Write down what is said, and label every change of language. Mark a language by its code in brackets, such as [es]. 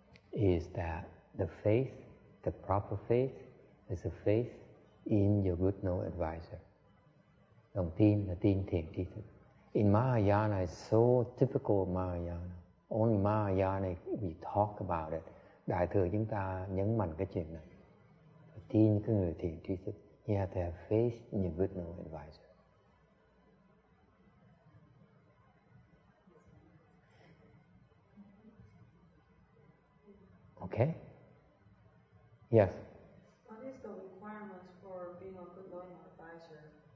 [en] Is that the faith, the proper faith, is the faith in your good know advisor. [vi] Lòng tin là tin thiền tri thức. [en] In Mahayana, it's so typical of Mahayana. Only Mahayana, we talk about it. [vi] Đại thừa chúng ta nhấn mạnh cái chuyện này. Tin cái người thiền tri thức. [en] You have to have faith in your good know advisor. Okay. Yes. What is the requirement for being a good knowing advisor?